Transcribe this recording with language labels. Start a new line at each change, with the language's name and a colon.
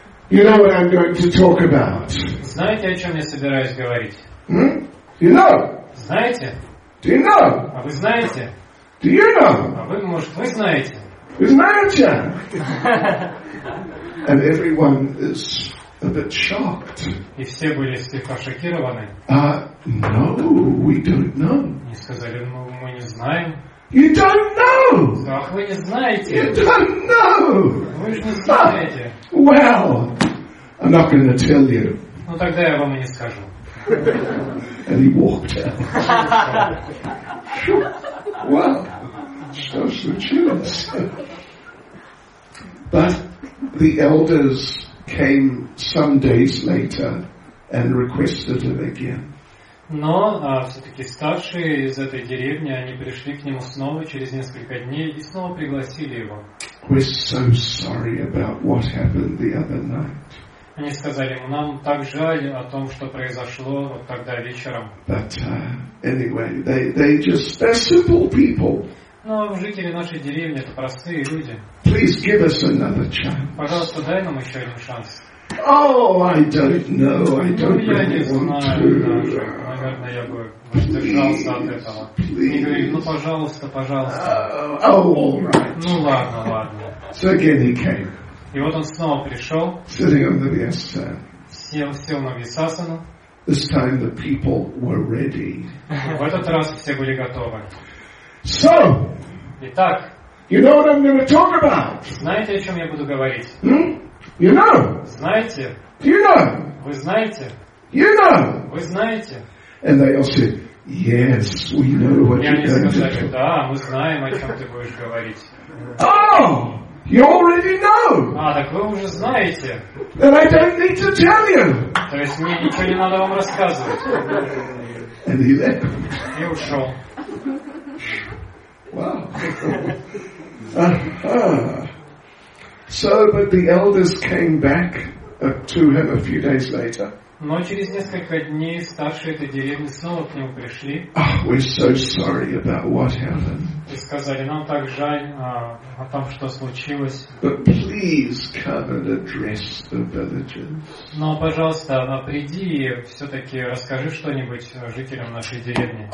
English: You know what I'm going to talk about?
Russian: Знаете, о чем я собираюсь говорить?
English: Hmm? You know?
Russian: Знаете?
English: Do you know?
Russian: А вы знаете?
English: Do you know?
Russian: А вы, может, вы знаете? Вы знаете?
English: And everyone is a bit shocked.
Russian: И все были слегка шокированы.
English: No, we don't know.
Russian: И сказали, ну, мы не знаем.
English: You don't know.
Russian: Ах, вы не знаете.
English: You don't know.
Russian: Вы же не знаете.
English: Well, I'm not going to tell you.
Russian: Ну тогда я вам и не скажу.
English: And he walked out. Well,
Russian: что случилось?
English: But the elders came some days later and requested him again.
Russian: Но все-таки старшие из этой деревни, они пришли к нему снова через несколько дней и снова пригласили его.
English: We're so sorry about what happened the other night.
Russian: Они сказали, нам так жаль о том, что произошло вот тогда вечером.
English: But anyway, they just, they're simple people.
Russian: Но жители нашей деревни, это простые люди.
English: Please give us another chance.
Russian: Пожалуйста, дай нам еще один шанс.
English: Oh, I don't know. I don't really
Russian: я не знаю. Наверное, я бы воздержался от этого.
English: Please.
Russian: И говорит, ну, пожалуйста, пожалуйста.
English: Oh, all right.
Russian: Ну, ладно, ладно.
English: So again he came.
Russian: И вот он снова пришел.
English: Sitting on the Vyasasan.
Russian: Сел на Вьясасану.
English: This time the people were ready.
Russian: В этот раз все были готовы.
English: So.
Russian: Итак.
English: You know what I'm going to talk about?
Russian: Знаете, о чем я буду говорить?
English: Hmm? You know?
Russian: Знаете?
English: You know?
Russian: Вы знаете?
English: You know?
Russian: Вы знаете?
English: And they all said, yes, we know what you're going to say.
Russian: Да, мы знаем, о чем ты будешь говорить.
English: Oh, you already know.
Russian: А, так вы уже знаете.
English: Then I don't need to tell you.
Russian: То есть мне ничего не надо вам рассказывать.
English: And he left.
Russian: И ушел.
English: Wow. So, but the elders came back to him a few days later.
Russian: Но через несколько дней старшие этой деревни снова к нему пришли.
English: We're so sorry about what happened.
Russian: И сказали: нам так жаль о том, что случилось.
English: But please come and address the villagers.
Russian: Но, пожалуйста, приди и все-таки расскажи что-нибудь жителям нашей деревни.